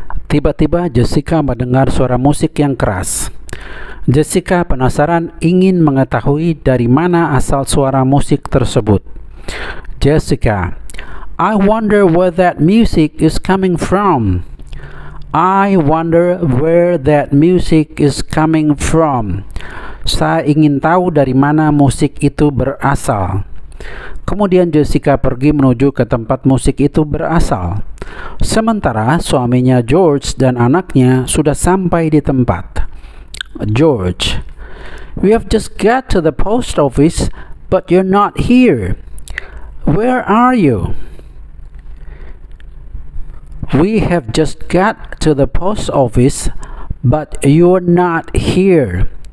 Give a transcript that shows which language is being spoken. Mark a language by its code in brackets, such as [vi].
[id] Tiba-tiba Jessica mendengar suara musik yang keras. Jessica penasaran ingin mengetahui dari mana asal suara musik tersebut. [en] Jessica, I wonder where that music is coming from. I wonder where that music is coming from. [id] Saya ingin tahu dari mana musik itu berasal. Kemudian Jessica pergi menuju ke tempat musik itu berasal. Sementara suaminya George dan anaknya sudah sampai di tempat. [en] George, we have just got to the post office, but you're not here. Where are you? We have just got to the post office, but you're not here.